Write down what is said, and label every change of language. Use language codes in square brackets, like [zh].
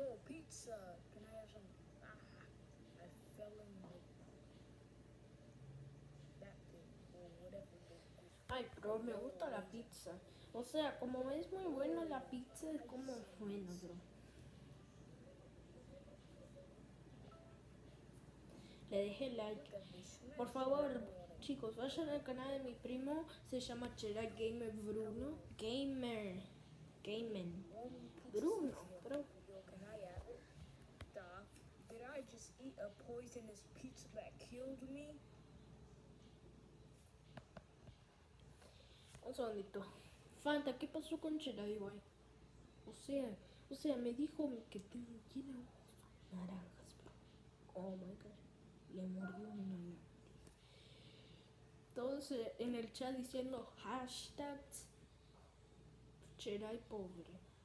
[en] Pizza, can I have some? Ah, I fell in the that thing or whatever. [es] Ay, bro, me gusta la pizza. O sea, como es muy bueno la pizza, es como bueno, bro. Le dejé like. Por favor, chicos, vayan al canal de mi primo. Se llama Chera Gamer Bruno. Gamer. Gamen. Bruno, bro. [en] I just eat a poisonous pizza that killed me. [es] Un segundito. Fanta, ¿qué pasó con Jedi Way? O sea, me dijo que tiene ojos naranjas, bro. [en] Oh my God. [es] Le mordió una naranja. Todos en el chat diciendo hashtag Jedi pobre.